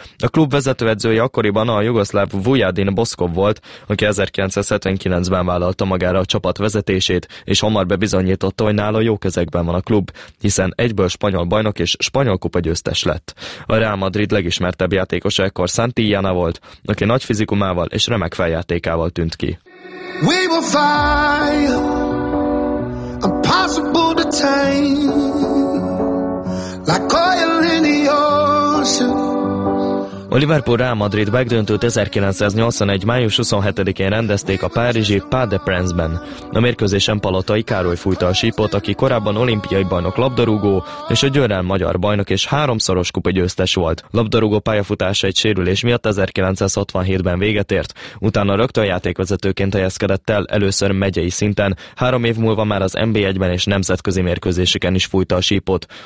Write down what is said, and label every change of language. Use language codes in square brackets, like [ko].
[hu] A klub vezetőedzője akkoriban a jugoszláv Vujadin Boskov volt, aki 1979-ben vállalta magára a csapat vezetését, és hamar bebizonyította, hogy nála jó kezekben van a klub, hiszen egyből spanyol bajnok és spanyol kupa győztes lett. A Real Madrid legismertebb játékosa ekkor Santillana volt, aki nagy fizikumával és remek feljátékával tűnt ki. [en] We will fight, impossible to tame, like oil in the ocean. [hu] A Liverpool Real Madrid megdöntőt 1981. május 27-én rendezték a párizsi Parc des Princes-ben. A mérkőzésen Palotai Károly fújta a sípot, aki korábban olimpiai bajnok labdarúgó, és a győrel magyar bajnok és háromszoros kupa győztes volt. Labdarúgó pályafutása egy sérülés miatt 1967-ben véget ért, utána rögtön játékvezetőként helyezkedett el, először megyei szinten, három év múlva már az NB1-ben és nemzetközi mérkőzéseken is fújta a sípot.